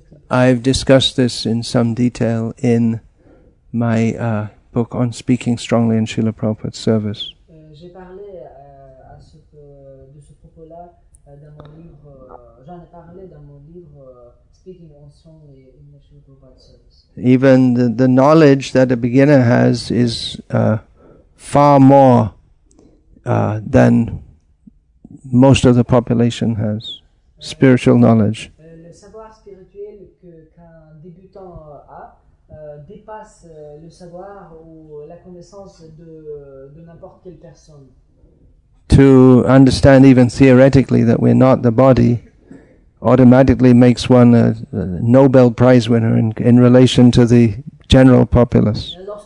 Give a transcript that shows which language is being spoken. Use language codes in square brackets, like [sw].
[en] I've discussed this in some detail in my book on speaking strongly in Srila Prabhupada's service. [fr] J'ai parlé de ce propos-là dans mon livre, j'en ai parlé dans mon livre Speaking Strongly in Srila Prabhupada's service. [en] Even the knowledge that a beginner has is far more than most of the population has, spiritual knowledge. [fr] Le savoir spirituel qu'un débutant a dépasse le savoir ou la connaissance de n'importe quelle personne. [en] To understand even theoretically that we're not the body automatically makes one a Nobel Prize winner in relation to the general populace.